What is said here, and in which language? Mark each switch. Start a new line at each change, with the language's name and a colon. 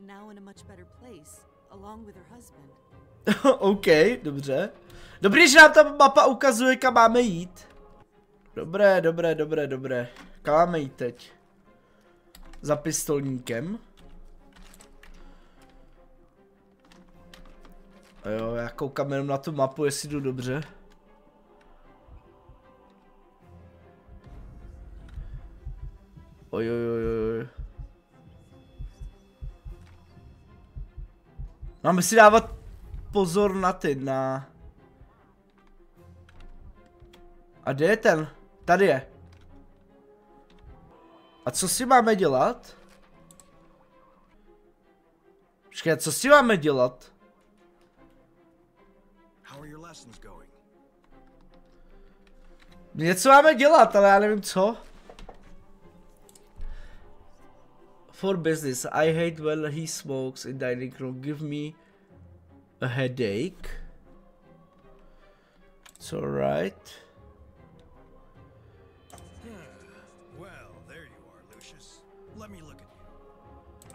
English: In a much better place, along with her husband.
Czech: OK, dobře. Dobrý, že nám ta mapa ukazuje, kam máme jít. Dobré. Kam máme jít teď? Za pistolníkem. A jo, já koukám jenom na tu mapu, jestli jdu dobře. Ojojojojoj. Máme si dávat pozor na ty, na... A kde je ten? Tady je. A co si máme dělat? Počkej, co si máme dělat? Něco máme dělat, ale já nevím co.
English: For business, I hate when he smokes in dining room, give me a headache. It's alright. Well, there you are, Lucius. Let me look at you.